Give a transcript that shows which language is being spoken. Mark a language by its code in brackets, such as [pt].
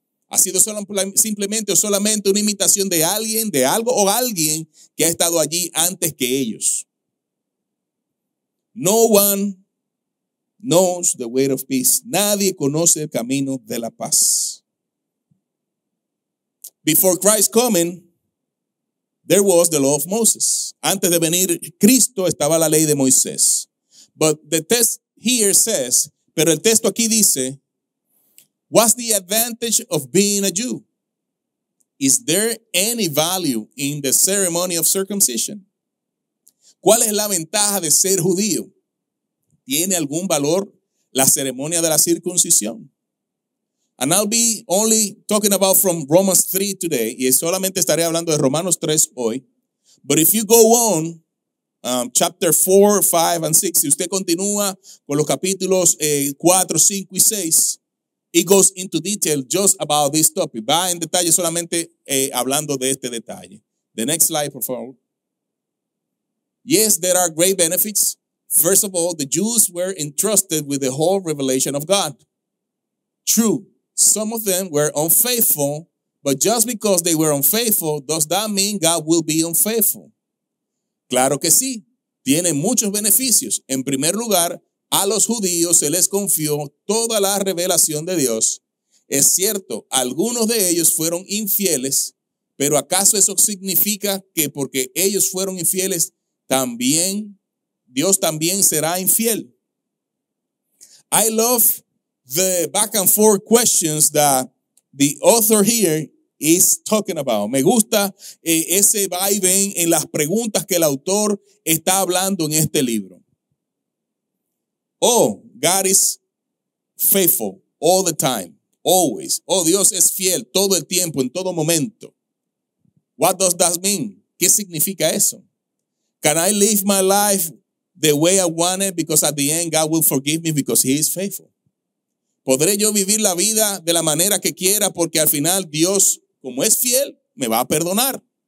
[es] Ha sido simplemente o solamente una imitación de alguien, de algo o alguien que ha estado allí antes que ellos. [en] No one knows the way of peace. [es] Nadie conoce el camino de la paz. [en] Before Christ coming, there was the law of Moses. [es] Antes de venir Cristo, estaba la ley de Moisés. [en] But the text here says, [es] pero el texto aquí dice, [en] what's the advantage of being a Jew? Is there any value in the ceremony of circumcision? [es] ¿Cuál es la ventaja de ser judío? ¿Tiene algún valor la ceremonia de la circuncisión? [en] And I'll be only talking about from Romans 3 today. [es] Y solamente estaré hablando de Romanos 3 hoy. [en] But if you go on, chapter 4, 5, and 6. [es] Si usted continúa con los capítulos 4, 5 y 6. [en] It goes into detail just about this topic. [es] Va en detalle solamente hablando de este detalle. [en] The next slide, [es] por favor. [en] Yes, there are great benefits. First of all, the Jews were entrusted with the whole revelation of God. True. Some of them were unfaithful, but just because they were unfaithful, does that mean God will be unfaithful? [es] Claro que sí. Tiene muchos beneficios. En primer lugar, a los judíos se les confió toda la revelación de Dios. Es cierto, algunos de ellos fueron infieles, pero ¿acaso eso significa que porque ellos fueron infieles, también Dios también será infiel? [en] I love the back and forth questions that the author here is talking about. [es] Me gusta ese va y ven en las preguntas que el autor está hablando en este libro. [en] Oh, God is faithful all the time, always. [es] Oh, Dios es fiel todo el tiempo, en todo momento. [en] What does that mean? [es] ¿Qué significa eso? [en] Can I live my life the way I want it because at the end God will forgive me because he is faithful? [es] ¿Podré yo vivir la vida de la manera que quiera porque al final Dios, como es fiel, me va a perdonar?